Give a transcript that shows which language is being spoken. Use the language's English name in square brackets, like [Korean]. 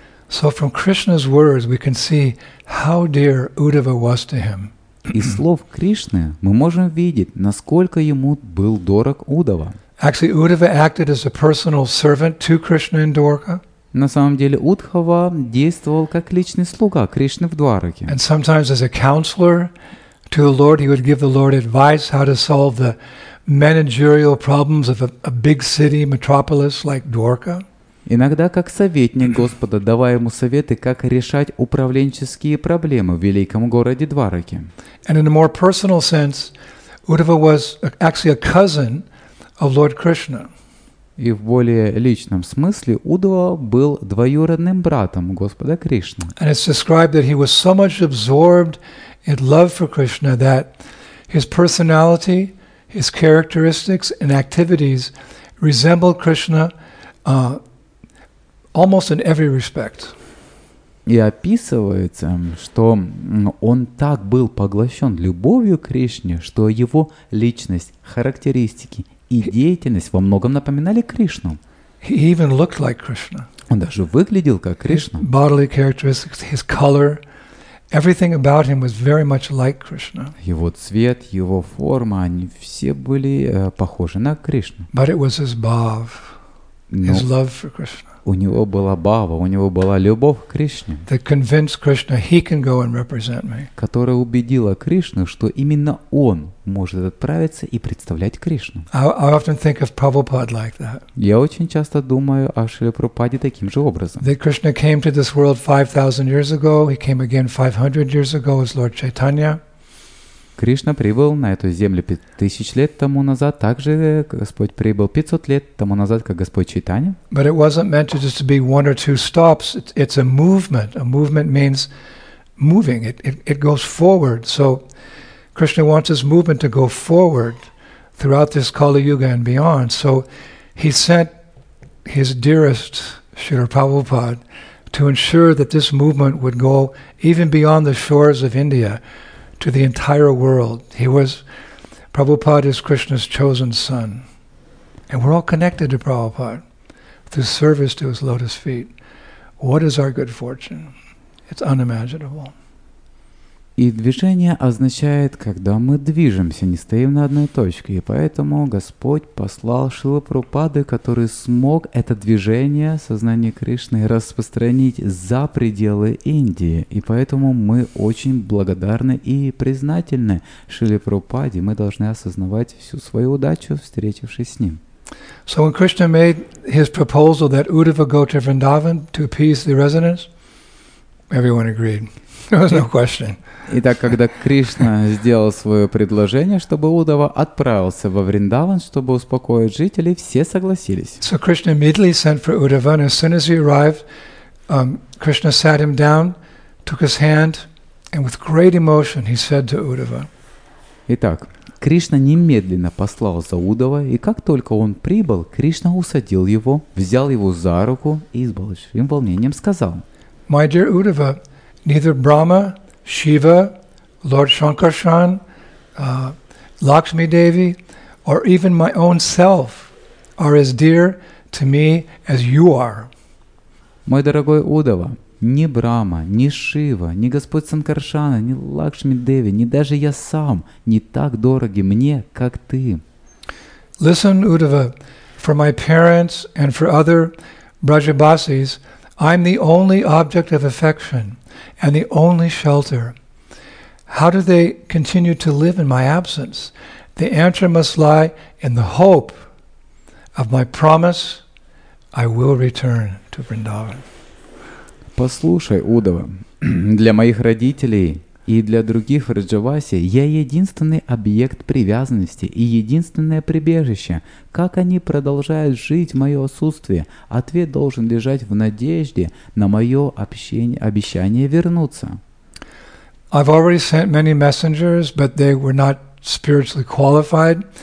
[English] So from Krishna's words we can see how dear Uddhava was to him. [Russian] Из слов Кришны мы можем видеть, насколько ему был дорог Уддхава. [English] Actually, Uddhava acted as a personal servant to Krishna in Dwarka. [Russian] На самом деле Уддхава действовал как личный слуга Кришны в Двараке. [English] And sometimes as a counselor to the Lord, he would give the Lord advice how to solve the managerial problems of a big city metropolis like Dwarka. [Russian] Иногда как советник Господа, давая ему советы, как решать управленческие проблемы в великом городе Двараке. [English] And in a more personal sense, Uddhava was actually a cousin of Lord Krishna. [Russian] И в более личном смысле Уддхава был двоюродным братом Господа Кришны. [English] And it's described that he was so much absorbed in love for Krishna that his personality, his characteristics and activities resembled Krishna almost in every respect. [Russian] И описывается, что он так был поглощен любовью к Кришне, что его личность, характеристики и деятельность во многом напоминали Кришну. [English] He even looked like Krishna. [Russian] Он даже выглядел как Кришна. [English] His bodily characteristics, his color, everything about him was very much like Krishna. [Russian] Его цвет, его форма, они все были похожи на Кришну. [English] But it was his bhav, his love for Krishna. [Russian] У него была бхава, у него была любовь к Кришне, [English] that convinced Krishna he can go and represent me. [Russian] Которая убедила Кришну, что именно он может отправиться и представлять Кришну. [English] I often think of Prabhupada like that. [Russian] Я очень часто думаю о Шриле Прабхупаде таким же образом. [English] That Krishna came to this world 5,000 years ago, he came again 500 years ago as Lord Chaitanya. [Russian] Кришна прибыл на эту землю 5000 лет тому назад, также Господь прибыл 500 лет тому назад, как Господь Чайтанья. [English] But it wasn't meant to just be one or two stops. It's a movement. A movement means moving. It goes forward. So Krishna wants his movement to go forward throughout this Kali Yuga and beyond. So he sent his dearest Srila Prabhupada to ensure that this movement would go even beyond the shores of India. To the entire world. He was Prabhupada is Krishna's chosen son. And we're all connected to Prabhupada through service to his lotus feet. What is our good fortune? It's unimaginable. [Russian] И движение означает, когда мы движемся, не стоим на одной точке. И поэтому Господь послал Шрилу Прабхупаду, который смог это движение сознания Кришны распространить за пределы Индии. И поэтому мы очень благодарны и признательны Шриле Прабхупаде. Мы должны осознавать всю свою удачу, встретившись с Ним. [English] So when Krishna made his proposal that Uddhava go to Vrindavan to appease the residents, everyone agreed. There was no question. [Russian] Итак, когда Кришна сделал свое предложение, чтобы Уддхава отправился во Вриндаван, чтобы успокоить жителей, все согласились. [English] So Krishna immediately sent for Uddhava, and as soon as he arrived, Krishna sat him down, took his hand, and with great emotion he said to Uddhava. [Russian] Итак, Кришна немедленно послал за Удава, и как только он прибыл, Кришна усадил его, взял его за руку и с большим волнением сказал: [English] «My dear Uddhava, neither Brahma, Shiva, Lord Shankarshan, Lakshmi Devi, or even my own self are as dear to me as you are». [Russian] Мой дорогой Удава, ни Брама, ни Шива, ни Господь Санкаршана, ни Лакшми Деви, ни даже я сам не так дороги мне, как ты. [English] Listen, Uddhava, for my parents and for other Brajabasis, I'm the only object of affection and the only shelter. How do they continue to live in my absence? The answer must lie in the hope of my promise I will return to Vrindavan. [Russian] Послушай, Удава, для моих родителей и для других Раджаваси я единственный объект привязанности и единственное прибежище. Как они продолжают жить в мое отсутствие? Ответ должен лежать в надежде на мое обещание вернуться. [English] I've already sent many messengers, but they were not spiritually qualified.